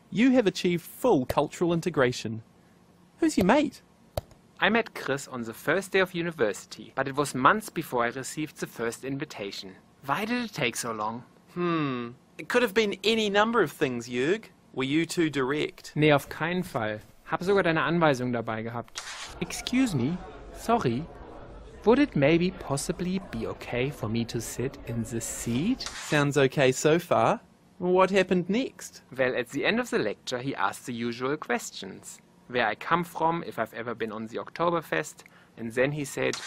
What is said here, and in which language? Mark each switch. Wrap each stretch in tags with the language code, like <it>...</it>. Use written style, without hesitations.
<en>You have achieved full cultural integration. Who's your mate? I met Chris on the first day of university, but it was months before I received the first invitation. Why did it take so long? It could have been any number of things, Jürg. Were you too direct?</en> <de>Nee, auf keinen Fall. Hab sogar deine Anweisung dabei gehabt.</de> <en>Excuse me, Sorry, would it maybe possibly be okay for me to sit in this seat? Sounds okay so far. What happened next? Well, at the end of the lecture, he asked the usual questions. Where I come from, if I've ever been on the Oktoberfest, and then he said...</en>